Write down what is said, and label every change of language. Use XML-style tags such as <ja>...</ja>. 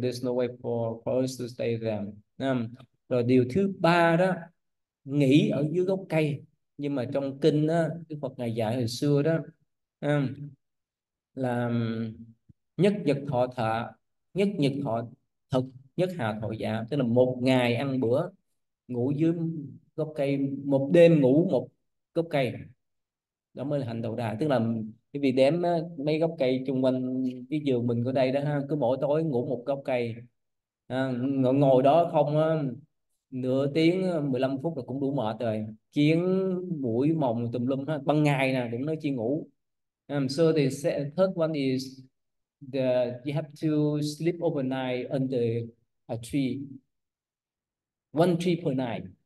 <en>There's no way for us to stay there.</en> <vi>Rồi điều thứ ba đó, nghỉ ở dưới gốc cây. Nhưng mà trong kinh đó, Đức Phật ngài dạy hồi xưa đó, là nhất nhật thọ thọ, nhất nhật thọ thực, nhất hà thọ giả, tức là một ngày ăn bữa ngủ dưới gốc cây, một đêm ngủ một gốc cây, đó mới là hành Đầu Đà. Tức là cái vì đếm mấy gốc cây chung quanh cái giường mình ở đây đó ha, cứ mỗi tối ngủ một gốc cây, ngồi đó không nửa tiếng 15 phút là cũng đủ mệt rồi, kiến bụi mồng tùm lum ha, ban ngày nè cũng nói chi ngủ.</vi> <en>So the third one is the you have to sleep overnight under a tree, one tree per night.</en>